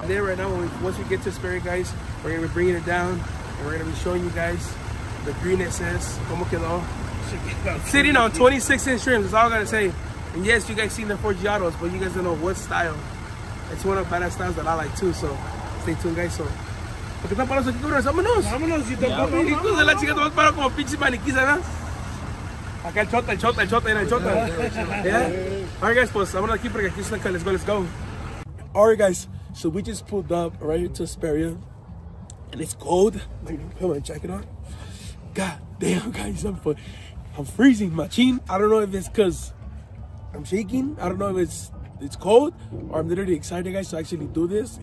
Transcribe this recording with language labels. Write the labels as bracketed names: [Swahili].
[English] And then right now, once we get to Spirit, guys, we're going to be bringing it down. And we're going to be showing you guys the green SS. [Spanish] Como quedó? [English] Sitting on 26-inch rims. That's all I got to say. And yes, you guys seen the 4G autos, but you guys don't know what style. It's one of the badass styles that I like too. So stay tuned, guys. So. [Spanish] Vámonos. Vámonos. Hijo de la chingada. Vamos para como pinches maniquís, ¿verdad? Acá el chota, el chota, el chota, el chota. [English] Yeah? All right, guys, [Spanish] pues, vamos aquí porque aquí es la, [English] let's go. All right, guys, so we just pulled up right into Hesperia, and it's cold. Let me put my jacket on. God damn, guys, I'm freezing, machine. I don't know if it's because I'm shaking. I don't know if it's cold or I'm literally excited, guys, to actually do this.